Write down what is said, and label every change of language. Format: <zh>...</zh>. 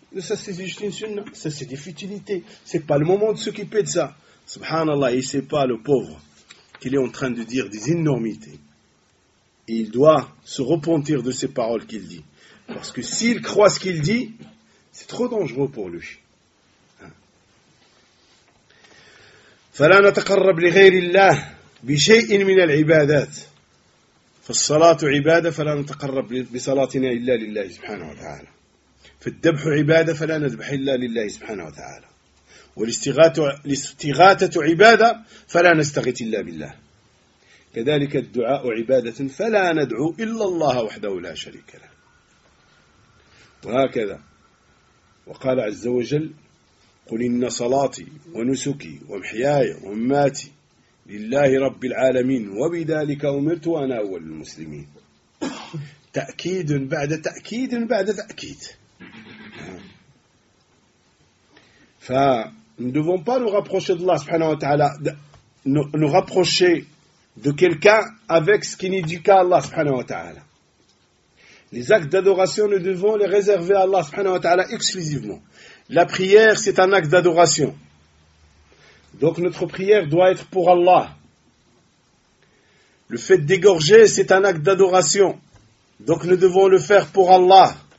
<fr>Ça, c'est juste une sunna. Ça, c'est des futilités. Ce n'est pas le moment de s'occuper de ça. Subhanallah, il ne sait pas, le pauvre, qu'il est en train de dire des énormités. Et il doit se repentir de ces paroles qu'il dit. Parce que s'il croit ce qu'il dit, c'est trop dangereux pour lui.</fr> <ar>فلا نتقرب لغير الله بشيء من العبادات فالصلاة عبادة فلا نتقرب بصلاتنا إلا لله سبحانه وتعالى فالذبح عبادة فلا نذبح إلا لله سبحانه وتعالى والاستغاثة عبادة فلا نستغيث إلا بالله كذلك الدعاء عبادة فلا ندعو إلا الله وحده لا شريك له وهكذا وقال عز وجل قل إن صلاتي ونسكي ومحياي ومماتي لله رب العالمين وبذلك أمرت وأنا أول المسلمين تأكيد بعد تأكيد بعد تأكيد</ar> <fr>ف nous devons pas nous rapprocher d'Allah subhanahu wa ta'ala nous rapprocher de quelqu'un avec ce qui n'est dû qu'à Allah subhanahu wa ta'ala. Les actes d'adoration, nous devons les réserver à Allah subhanahu wa ta'ala exclusivement. La prière, c'est un acte d'adoration. Donc notre prière doit être pour Allah. Le fait d'égorger, c'est un acte d'adoration. Donc nous devons le faire pour Allah.</fr>